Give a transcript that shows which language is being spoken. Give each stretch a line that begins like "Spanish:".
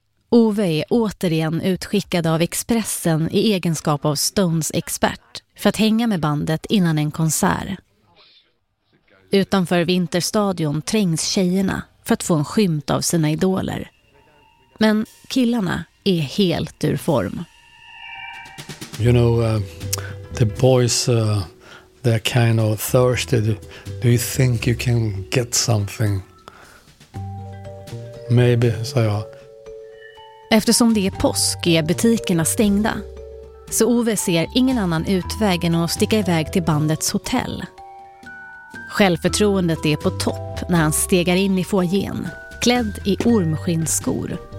Swedish: Ove är återigen utskickad av Expressen i egenskap av Stones-expert för att hänga med bandet innan en konsert. Utanför Vinterstadion trängs tjejerna för att få en skymt av sina idoler– men killarna är helt ur form.
English: You know, the boys, they're kind of thirsty. Do you think you can get something?
Swedish: Maybe, sa jag. Eftersom det är påsk är butikerna stängda. Så Ove ser ingen annan utväg än att sticka iväg till bandets hotell. Självförtroendet är på topp när han stegar in i foajén, klädd i ormskinnskor.